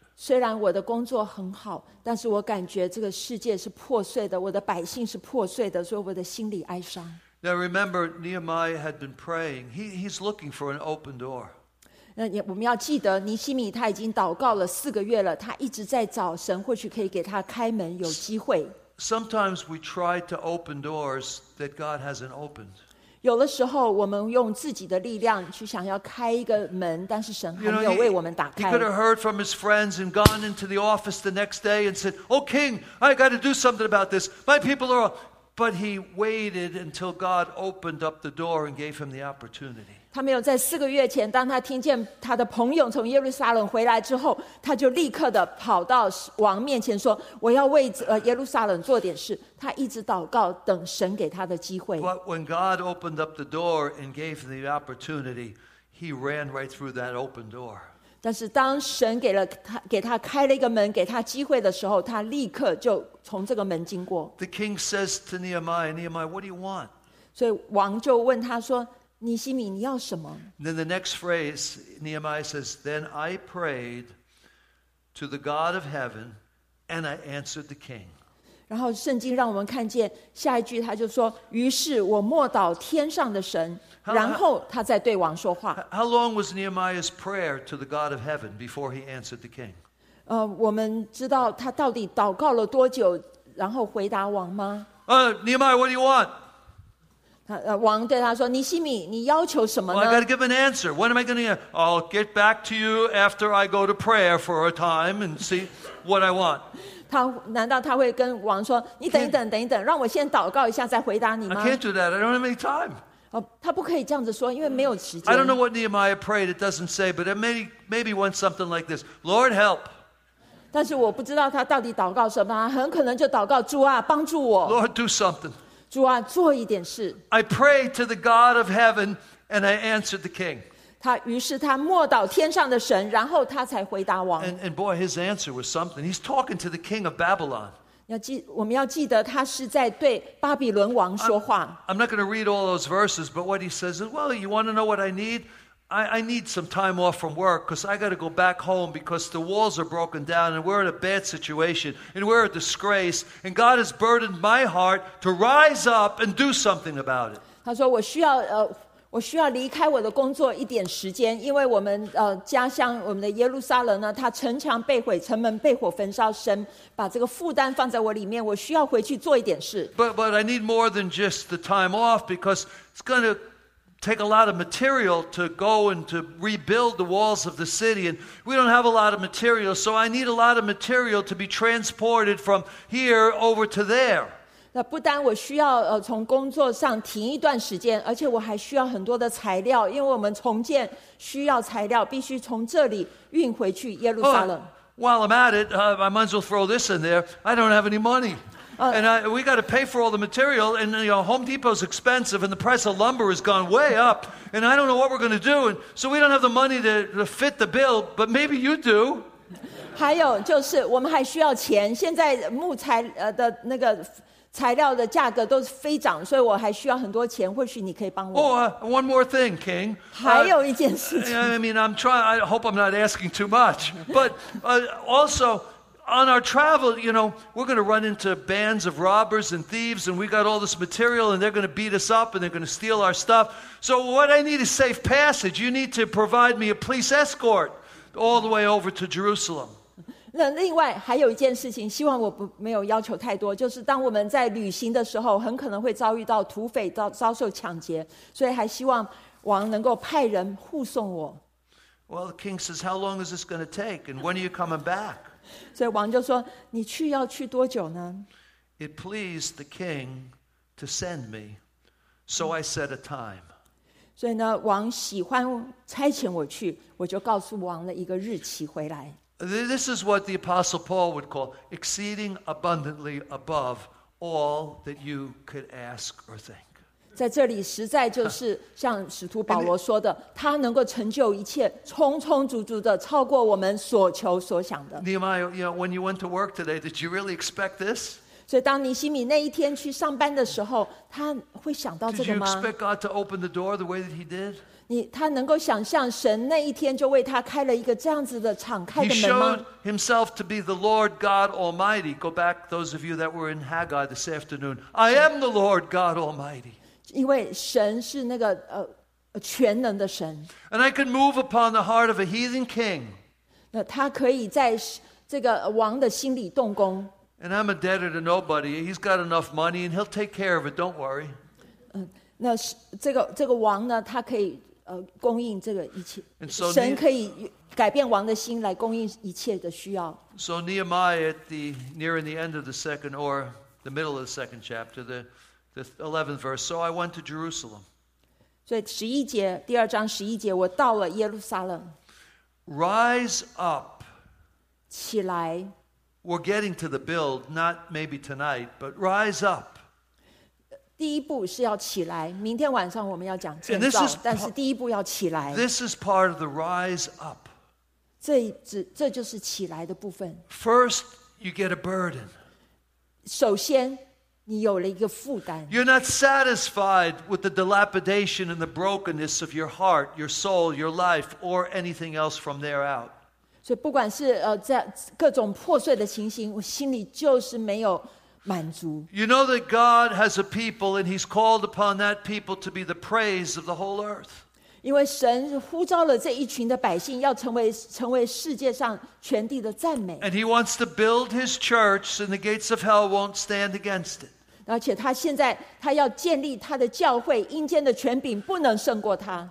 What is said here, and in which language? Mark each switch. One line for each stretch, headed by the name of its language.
Chinese: 虽然我的工作很好，但是我感觉这个世界是破碎的，我的百姓是破碎的，所以我的心里哀伤。
English: Now remember, Nehemiah had been praying. He's looking for an open door.
Chinese: 那我们要记得，尼希米他已经祷告了四个月了，他一直在找神，或许可以给他开门，有机会。
English: Sometimes we try to open doors that God hasn't opened.
Chinese: 有的时候，我们用自己的力量去想要开一个门，但是神还没有为我们打开。
English: He could have heard from his friends and gone into the office the next day and said, "Oh, King, I got to do something about this. My people are..." But he waited until God opened up the door and gave him the opportunity.
Chinese: 他没有在四个月前，当他听见他的朋友从耶路撒冷回来之后，他就立刻的跑到王面前说：“我要为耶路撒冷做点事。” 他一直祷告，等神给他的机会。
English: But when God opened up the door and gave him the opportunity, he ran right through that open door.
Chinese: 但是当神给他开了一个门，给他机会的时候，他立刻就从这个门经过。
English: The king says to Nehemiah, "Nehemiah, what do you want?"
Chinese: 所以王就问他说。尼希米，你要什么？
English: Then the next phrase, Nehemiah says, "Then I prayed to the God of heaven, and I answered the king."
Chinese: 然后圣经让我们看见下一句，他就说：“于是我默祷天上的神。” 然后他在对王说话。
English: How long was Nehemiah's prayer to the God of heaven before he answered the king?
Chinese: 我们知道他到底祷告了多久，然后回答王吗？
English: Nehemiah, what do you want?
Chinese: 王对他说：“尼希米，你要求什么呢？”
English: Well, I got to give an answer. When am I going to get? I'll get back to you after I go to prayer for a time and see what I want.
Chinese: 他难道他会跟王说：“你等一等，等一等，让我先祷告一下再回答你吗？”
English: I can't do that. I don't have any time.
Chinese: 他不可以这样子说，因为没有时间。
English: I don't know what Nehemiah prayed. It doesn't say, but it maybe went something like this: "Lord, help."
Chinese: 但是我不知道他到底祷告什么，很可能就祷告主啊，帮助我。
English: Lord, do something.
Chinese: 主啊，做一点事。
English: I pray to the God of heaven, and I answered the king.
Chinese: 他于是他默祷天上的神，然后他才回答王。
English: And boy, his answer was something. He's talking to the king of Babylon.
Chinese: 我们要记得他是在对巴比伦王说话。
English: I'm not going to read all those verses, but what he says is, well, you want to know what I need? I need some time off from work because I got to go back home because the walls are broken down and we're in a bad situation and we're a disgrace and God has burdened my heart to rise up and do something about it.
Chinese: 他说我需要离开我的工作一点时间，因为我们家乡我们的耶路撒冷呢，它城墙被毁，城门被火焚烧，神把这个负担放在我里面，我需要回去做一点事。
English: But I need more than just the time off because it's going to take a lot of material to go and to rebuild the walls of the city, and we don't have a lot of material, so I need a lot of material to be transported from here over to there.
Chinese: 那不单我需要从工作上停一段时间，而且我还需要很多的材料，因为我们重建需要材料，必须从这里运回去耶路撒冷。
English: While I'm at it, I might as well throw this in there. I don't have any money. And we got to pay for all the material, and you know, Home Depot's expensive, and the price of lumber has gone way up, and I don't know what we're going to do, and so we don't have the money to fit the bill, but maybe you do.
Chinese: 还有就是我们还需要钱，现在木材的那个材料的价格都是飞涨，所以我还需要很多钱，或许你可以帮我。
English: One more thing, King.
Chinese: 还有一件事情。
English: I mean, I'm trying, I hope I'm not asking too much. But also, on our travel, you know, we're going to run into bands of robbers and thieves, and we got all this material, and they're going to beat us up, and they're going to steal our stuff. So what I need is safe passage. You need to provide me a police escort all the way over to Jerusalem.
Chinese: 那另外还有一件事情，希望我没有要求太多，就是当我们在旅行的时候，很可能会遭遇到土匪，遭受抢劫，所以还希望王能够派人护送我。
English: Well, the king says, how long is this going to take? And when are you coming back?
Chinese: 所以王就说，你去要去多久呢？
English: It pleased the king to send me, so I set a time.
Chinese: 所以呢，王喜欢差遣我去，我就告诉王了一个日期回来。
English: This is what the Apostle Paul would call exceeding abundantly above all that you could ask or think.
Chinese: 在这里实在就是像使徒保罗说的，他能够成就一切，充充足足的超过我们所求所想的。
English: Nehemiah, you know, when you went to work today, did you really expect this?
Chinese: 所以当尼希米那一天去上班的时候，他会想到这个吗？
English: Did you expect God to open the door the way that he did?
Chinese: 他能够想象神那一天就为他开了一个这样子的敞开的门吗？
English: He showed himself to be the Lord God Almighty. Go back, those of you that were in Haggai this afternoon. I am the Lord God Almighty.
Chinese: 因为神是那个全能的神。
English: And I can move upon the heart of a heathen king.
Chinese: 那他可以在这个王的心里动工。
English: And I'm a debtor to nobody. He's got enough money and he'll take care of it. Don't worry.
Chinese: 那这个王呢，他可以供应这个一切，
English: so,
Chinese: 神可以改变王的心来供应一切的需要。
English: So Nehemiah at the near in the end of the second or the middle of the second chapter, the 11th verse. So I went to Jerusalem.
Chinese: 所以十一节第二章十一节，我到了耶路撒冷。
English: Rise up.
Chinese: 起来。
English: We're getting to the build, not maybe tonight, but rise up.
Chinese: 第一步是要起来，明天晚上我们要讲建造，但是第一步要起来。
English: This is part of the rise up.
Chinese: 这就是起来的部分。
English: First, you get a burden.
Chinese: 首先，你有了一个负担。
English: You're not satisfied with the dilapidation and the brokenness of your heart, your soul, your life, or anything else from there out.
Chinese: 所以不管是在各种破碎的情形，我心里就是没有
English: You know that God has a people and he's called upon that people to be the praise of the whole earth.
Chinese: 因为神呼召了这一群的百姓要成为世界上全地的赞美。
English: And he wants to build his church and the gates of hell won't stand against it.
Chinese: 而且他现在他要建立他的教会，阴间的权柄不能胜过他。